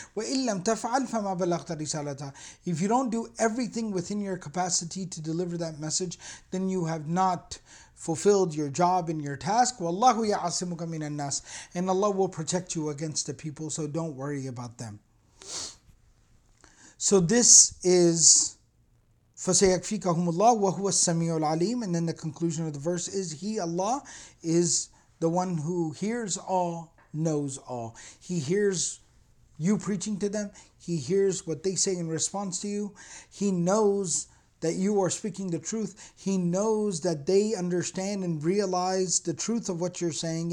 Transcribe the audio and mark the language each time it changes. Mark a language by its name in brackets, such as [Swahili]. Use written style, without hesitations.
[Arabic] Wa illam taf'al fama balaghta risalata. [English] If you don't do everything within your capacity to deliver that message, then you have not fulfilled your job and your task. [Arabic] Wallahu ya'asimuka minan nas. [English] And Allah will protect you against the people, so don't worry about them. So this is [Arabic] فَسَيَكْفِيكَهُمُ اللَّهُ وَهُوَ السَّمِيعُ الْعَلِيمُ. [English] And then the conclusion of the verse is, He, Allah, is the one who hears all, knows all. He hears you preaching to them. He hears what they say in response to you. He knows that you are speaking the truth. He knows that they understand and realize the truth of what you're saying.